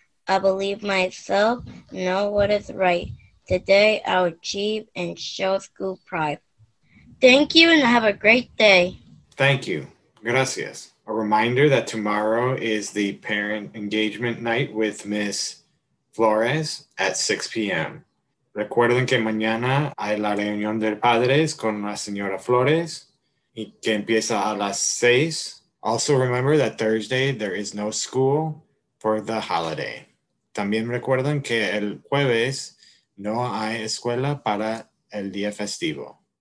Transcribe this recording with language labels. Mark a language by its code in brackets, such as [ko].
[en] I believe myself, know what is right. Today, I'll achieve and show school pride. Thank you and have a great day. Thank you. Gracias. A reminder that tomorrow is the parent engagement night with Ms. Flores at 6 p.m. [es] Recuerden que mañana hay la reunión de padres con la señora Flores y que empieza a las 6. [en] Also remember that Thursday there is no school for the holiday. [es] También recuerden que el jueves no hay escuela para el día festivo.